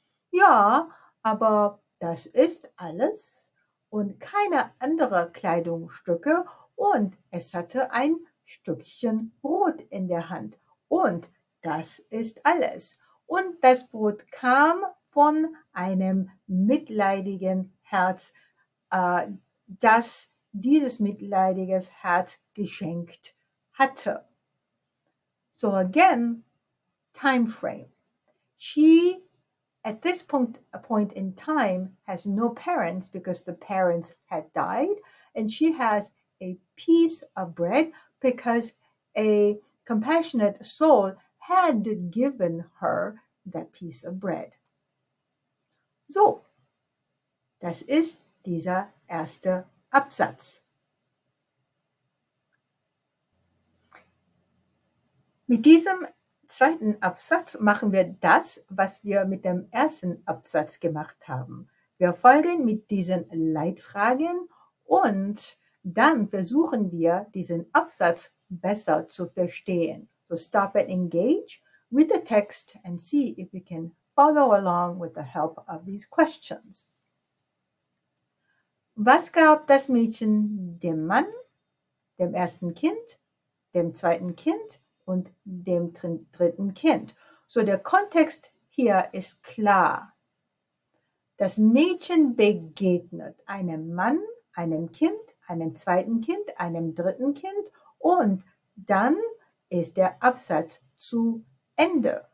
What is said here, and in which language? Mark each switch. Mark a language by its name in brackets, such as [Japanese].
[German] Ja, aber das ist alles und keine anderen Kleidungsstücke und es hatte ein Stückchen Brot in der Hand und das ist alles. Und das Brot kam von einem mitleidigen Herz, das dieses mitleidige Herz geschenkt hatte. [English] So again, time frame. She, at this point, a point in time, has no parents because the parents had died. And she has a piece of bread because a compassionate soul had given her that piece of bread. [German] So, das ist dieser erste Absatz. Mit diesem zweiten Absatz machen wir das, was wir mit dem ersten Absatz gemacht haben. Wir folgen mit diesen Leitfragen und dann versuchen wir, diesen Absatz besser zu verstehen. [English] So stop and engage with the text and see if you can follow along with the help of these questions. [German] Was gab das Mädchen dem Mann, dem ersten Kind, dem zweiten Kind und dem dritten Kind? So der Kontext hier ist klar. Das Mädchen begegnet einem Mann, einem Kind, einem zweiten Kind, einem dritten Kind und dann ist der Absatz zu Ende.